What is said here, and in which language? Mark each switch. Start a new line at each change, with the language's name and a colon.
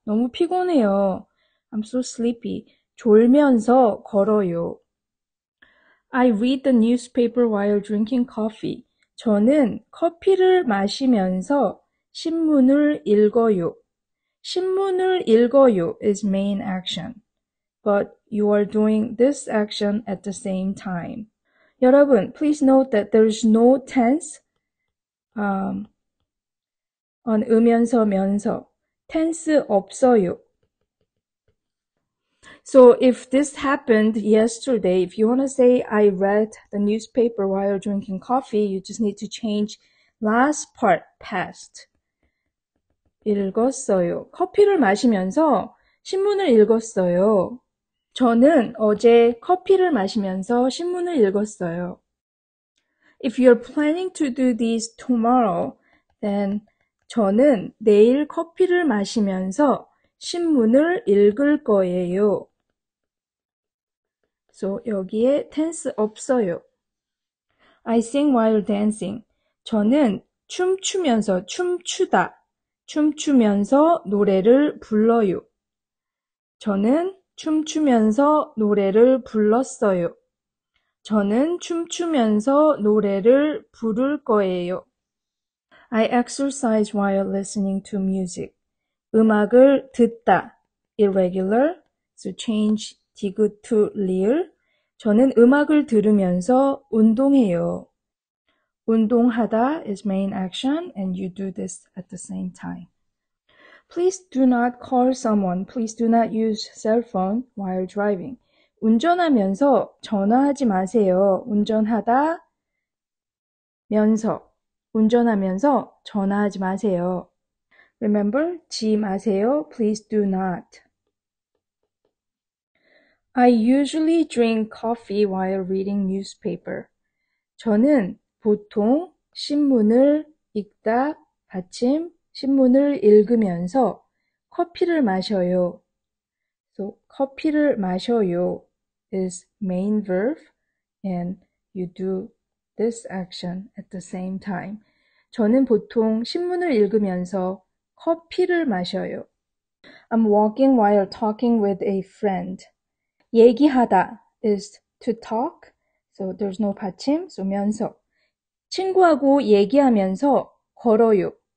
Korean: 너무 피곤해요.
English: I'm so sleepy.
Korean: 졸면서 걸어요.
English: I read the newspaper while drinking coffee.
Korean: 저는 커피를 마시면서 신문을 읽어요. 신문을 읽어요
English: is main action. But you are doing this action at the same time. 여러분, please note that there is no tense on 으면서 면서.
Korean: Tense 없어요.
English: So if this happened yesterday, if you want to say I read the newspaper while drinking coffee, you just need to change last part, past.
Korean: 읽었어요. 커피를 마시면서 신문을 읽었어요. 저는 어제 커피를 마시면서 신문을 읽었어요.
English: If you're planning to do this tomorrow, then
Korean: 저는 내일 커피를 마시면서 신문을 읽을 거예요.
English: So
Korean: 여기에 tense 없어요.
English: I sing while dancing.
Korean: 저는 춤추면서 춤추다. 춤추면서 노래를 불러요. 저는 춤추면서 노래를 불렀어요. 저는 춤추면서 노래를 부를 거예요.
English: I exercise while listening to music.
Korean: 음악을 듣다.
English: Irregular. So change digit to rear.
Korean: 저는 음악을 들으면서 운동해요.
English: 운동하다 is main action and you do this at the same time. Please do not call someone. Please do not use cell phone while driving.
Korean: 운전하면서 전화하지 마세요. 운전하다 면서. 운전하면서 전화하지 마세요.
English: Remember, 지 마세요. Please do not. I usually drink coffee while reading newspaper.
Korean: 저는 보통 신문을 읽다 받침 신문을 읽으면서 커피를 마셔요.
English: So,
Korean: 커피를 마셔요
English: is main verb and you do this action at the same time.
Korean: 저는 보통 신문을 읽으면서 커피를 마셔요.
English: I'm walking while talking with a friend. 얘기하다 is to talk. So, there's no 받침, so 면서.
Korean: 친구하고 얘기하면서 걸어요.